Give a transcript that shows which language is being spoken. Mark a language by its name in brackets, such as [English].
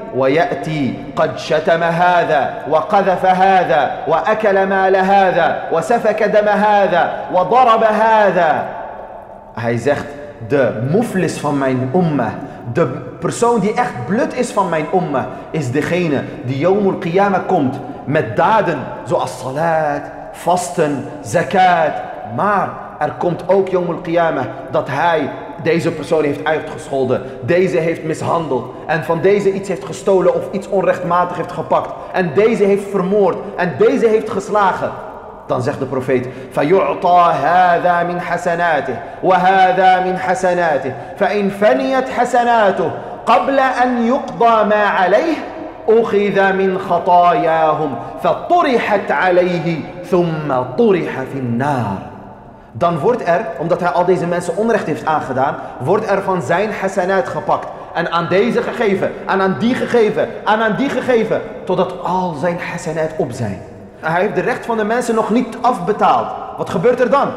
[Arabic] ويأتي قد شتم هذا وقذف هذا وأكل مال هذا وسفك دم هذا وضرب هذا. [Dutch] Hij zegt: de muflis van mijn ummah, de persoon die echt blut is van mijn ummah, is degene die [Arabic] Yawmul Qiyamah [Dutch] komt met daden zoals salat, vasten, zakat. Maar er komt ook [Arabic] Yawmul Qiyamah [Dutch] dat hij deze persoon heeft uitgescholden, deze heeft mishandeld en van deze iets heeft gestolen of iets onrechtmatig heeft gepakt en deze heeft vermoord en deze heeft geslagen. Dan zegt de profeet: [Arabic] فَيُعْطَى هَذَا مِنْ حَسَنَاتِهِ وَهَذَا مِنْ حَسَنَاتِهِ فَإِنْ فَنِيَتْ حَسَنَاتُهُ قَبْلَ أَنْ يُقْضَى مَا عَلَيْهِ أُخِذَ مِنْ خَطَايَاهُمْ فَطُرِحَتْ عَلَيْهِ ثُمَّ طُرِحَ فِي النَّارِ. [Dutch] Dan wordt er, omdat hij al deze mensen onrecht heeft aangedaan, wordt er van zijn hasanaat gepakt. En aan deze gegeven, en aan die gegeven, en aan die gegeven. Totdat al zijn hasanaat op zijn. Hij heeft de recht van de mensen nog niet afbetaald. Wat gebeurt er dan?